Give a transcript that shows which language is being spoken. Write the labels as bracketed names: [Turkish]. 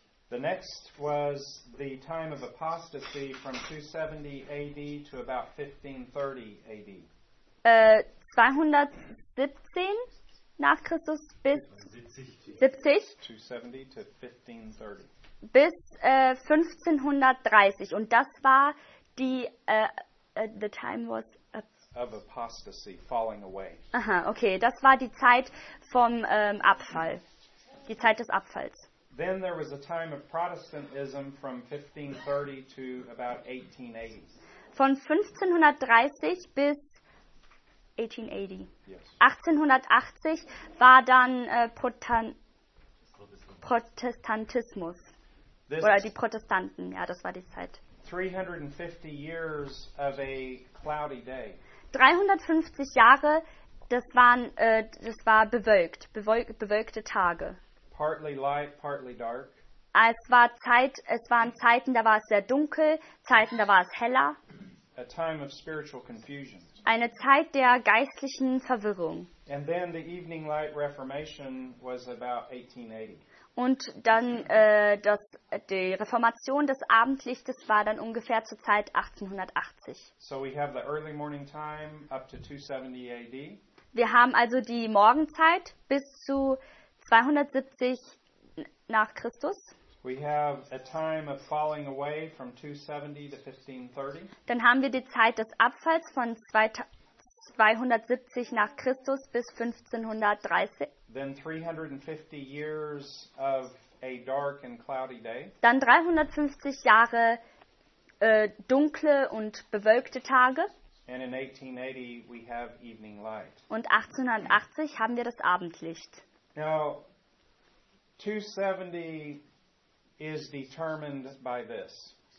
[English] The next was the time of apostasy from 270 AD to about 1530 AD. [German] 217 nach Christus bis 70 [English] to 1530. [German] Bis 1530, und das war die [English] the time was of apostasy falling away. [German] Aha, okay, das war die Zeit vom Abfall. Die Zeit des Abfalls. [English] Then there was a time of Protestantism from 1530 to about 1880. [German] Von 1530 bis 1880. [English] Yes. [German] 1880 war dann Protestantismus. This oder die Protestanten, ja, das war die Zeit. [English] 350 years of a cloudy day. [German] 350 Jahre, das war bewölkt, bewölkte Tage. [English] Partly light, partly dark. [German] Es waren Zeiten, da war es sehr dunkel, Zeiten, da war es heller. [English] A time of spiritual confusion. [German] Eine Zeit der geistlichen Verwirrung. [English] And then the evening light reformation was about 1880. [German] Und dann die Reformation des Abendlichtes war dann ungefähr zur Zeit 1880. [English] So we have the early morning time up to 270 AD. [German] Wir haben also die Morgenzeit bis zu 270 nach Christus. [English] We have a time of falling away from 270 to 1530. [German] Dann haben wir die Zeit des Abfalls von 270 nach Christus bis 1530. [English] Then 350 years of a dark and cloudy day. [German] Dann 350 Jahre dunkle und bewölkte Tage. [English] And in 1880 we have evening light. [German] Und 1880 haben wir das Abendlicht. [English] Now, 270 is determined by this.